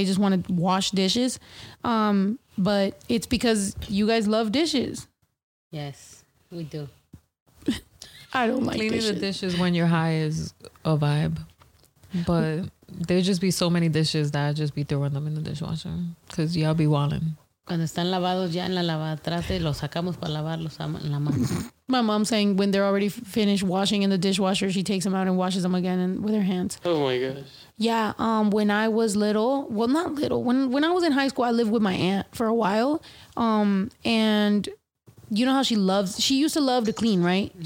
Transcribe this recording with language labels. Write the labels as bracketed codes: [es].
[en] They just want to wash dishes. But it's because you guys love dishes. Yes, we do. I don't like cleaning dishes. The dishes when you're high is a vibe. But there'd just be so many dishes that I'd just be throwing them in the dishwasher because y'all be walling. [es] Cuando están lavados ya en la lavatrate, los sacamos para lavarlos en la mano. [en] My mom's saying when they're already finished washing in the dishwasher, she takes them out and washes them again and with her hands. Oh my gosh. Yeah, when I was little, well not little, when I was in high school, I lived with my aunt for a while. And you know how she used to love to clean, right? Mm-hmm.